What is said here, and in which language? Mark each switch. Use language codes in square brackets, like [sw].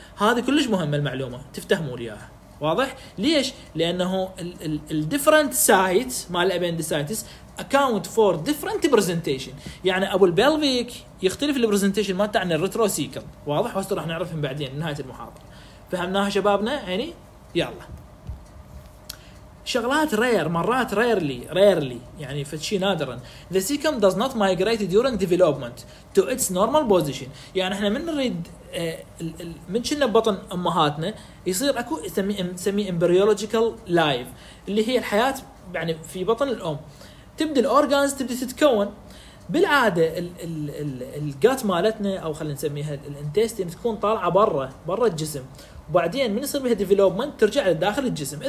[ar] هذه كلش مهمه المعلومه تفتهموا اياها واضح. ليش؟ لانه الديفرنت سايت مال الابندسايتس اكاونت فور ديفرنت برزنتيشن، يعني ابو البلفيك يختلف البرزنتيشن مالته عن الريتروسيكل واضح. هسه راح نعرفهم بعدين نهايه المحاضره. فهمناها شبابنا يعني؟ يلا ان شاء شغلات رير مرات rarely يعني فشي نادرا. [en] The cecum does not migrate during development to its normal position. [ar] يعني احنا من نريد من شلنا بطن امهاتنا يصير اكو نسميه [en] embryological life [ar] اللي هي الحياة يعني في بطن الام. تبدأ الأورغانز تبدأ تتكون بالعادة الجات مالتنا أو خلينا نسميها الانتستين تكون طالعة برا الجسم، وبعدين من يصير بها ديفلوبمنت ترجع لداخل الجسم.